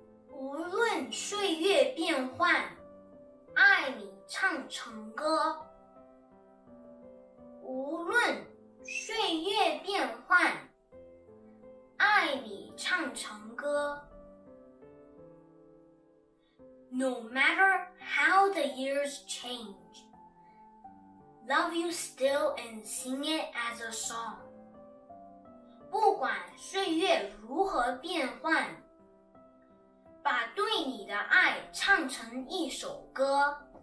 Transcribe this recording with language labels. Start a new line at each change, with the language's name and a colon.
Chinese: 无论岁月变幻，爱你唱成歌。无论岁月变幻，爱你唱成歌。
English: No matter how the years change, love you still and sing it as a song.
Chinese: 不管岁月如何变幻，把对你的爱唱成一首歌。